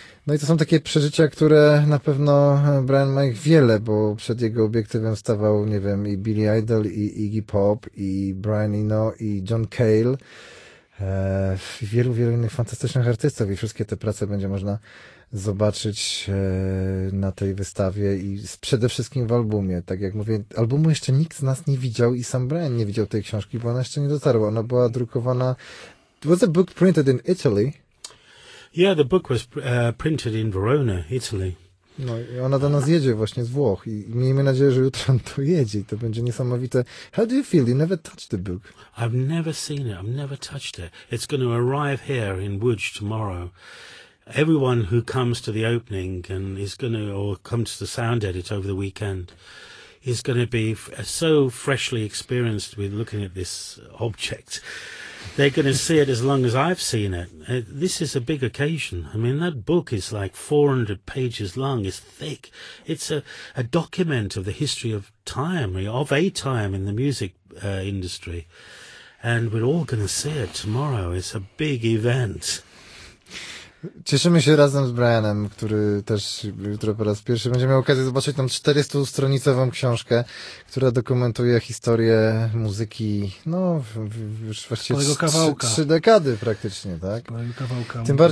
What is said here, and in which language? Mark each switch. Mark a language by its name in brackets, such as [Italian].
[Polish] No i to są takie przeżycia, które na pewno Brian ma ich wiele, bo przed jego obiektywem stawał, nie wiem, i Billy Idol, i Iggy Pop, i Brian Eno, i John Cale, wielu, wielu innych fantastycznych artystów, i wszystkie te prace będzie można zobaczyć na tej wystawie i przede wszystkim w albumie. Tak jak mówię, albumu jeszcze nikt z nas nie widział i sam Brian nie widział tej książki, bo ona jeszcze nie dotarła. Ona była drukowana... [English] Was the book printed in Italy? Yeah, the book was printed in Verona, Italy. [Polish] No i ona do nas jedzie właśnie z Włoch i miejmy nadzieję, że jutro on to jedzie i to będzie niesamowite. [English] How do you feel? You never touched the book. I've never seen it. I've never touched it. It's going to arrive here in Łódź tomorrow. Everyone who comes to the opening and is going to, or comes to the sound edit over the weekend, is going to be so freshly experienced with looking at this object. They're going to see it as long as I've seen it. This is a big occasion. I mean, that book is like 400 pages long. It's thick. It's a document of the history of time, of a time in the music industry. And we're all going to see it tomorrow. It's a big event. [Polish] Cieszymy się razem z Brianem, który też jutro po raz pierwszy będzie miał okazję zobaczyć tam 400-stronicową książkę, która dokumentuje historię muzyki, no już właściwie trzy dekady praktycznie, tak? Kawałka,